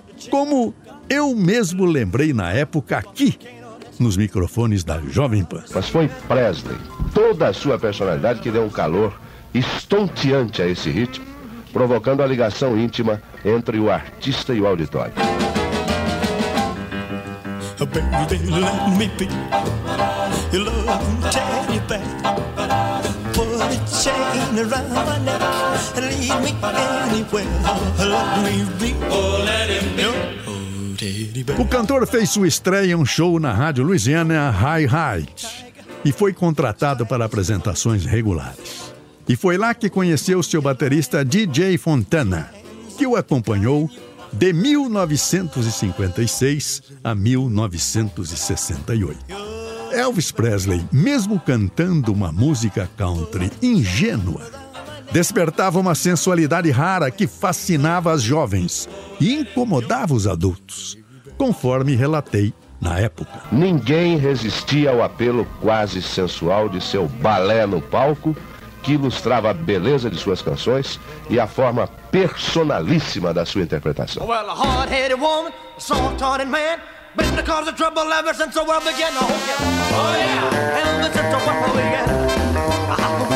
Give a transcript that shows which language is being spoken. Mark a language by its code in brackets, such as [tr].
[pt] Como eu mesmo lembrei na época aqui, nos microfones da Jovem Pan. Mas foi Presley, toda a sua personalidade, que deu um calor estonteante a esse ritmo, provocando a ligação íntima entre o artista e o auditório. [en] Baby, they let me be your love and teddy bear. Put a chain around my neck and lead me anywhere. Let me be, oh, let him be. [pt] O cantor fez sua estreia em um show na rádio Louisiana High Heights e foi contratado para apresentações regulares. E foi lá que conheceu seu baterista DJ Fontana, que o acompanhou de 1956 a 1968. Elvis Presley, mesmo cantando uma música country ingênua, despertava uma sensualidade rara que fascinava as jovens e incomodava os adultos, conforme relatei na época. Ninguém resistia ao apelo quase sensual de seu balé no palco, que ilustrava a beleza de suas canções e a forma personalíssima da sua interpretação. [en] Well, a hard-headed woman, a soft-hearted man, been the cause of trouble ever since the world began. Oh, yeah, oh, yeah, ever since the world began.